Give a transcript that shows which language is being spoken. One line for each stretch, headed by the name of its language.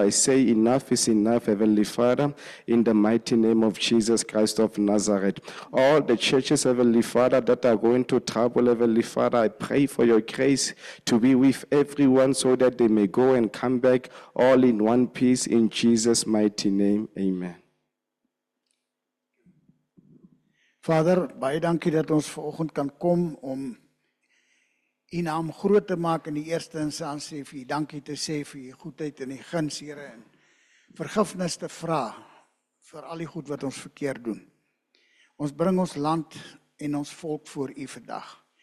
English: I say enough is enough, Heavenly Father, in the mighty name of Jesus Christ of Nazareth. All the churches, Heavenly Father, that are going to trouble, Heavenly Father, I pray for your grace to be with everyone so that they may go and come back all in one piece in Jesus' mighty name. Amen.
Afrikaans: Vader, baie dankie dat ons vanoggend kan kom om U naam groot te maak in die eerste instansie, vir U dankie te sê vir U goedheid en die guns, Here, en vergifnis te vra vir al die goed wat ons verkeerd doen. Ons bring ons land en ons volk voor U vandag.